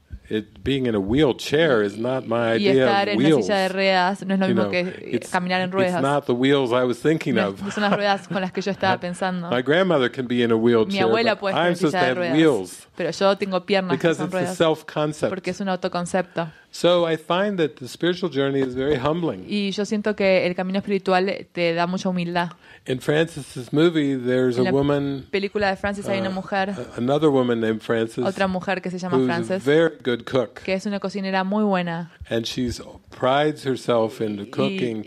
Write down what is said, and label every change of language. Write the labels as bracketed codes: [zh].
[en] it being in a wheelchair is not my idea of wheels. [es] Y estar en una silla de ruedas no es lo mismo que caminar en ruedas. [en] It's not the wheels I was thinking of. [es] No son las ruedas con las que yo estaba pensando. [en] My grandmother can be in a wheelchair. [es] Mi abuela puede estar en silla de ruedas. [en] Wheels. [es] Pero yo tengo piernas que son ruedas. [en] Because it's a self-concept. [es] Porque es un autoconcepto. [en] So I find that the spiritual journey is very humbling. [es] Y yo siento que el camino espiritual te da mucha humildad. [en] In Francis's movie, there's a woman. [es] En la película de Francis hay una mujer. [en] Another woman named Francis. [es] Otra mujer que se llama Francis. [en] Who's a very good cook. [es] Que es una cocinera muy buena. [en] And she prides herself in the cooking.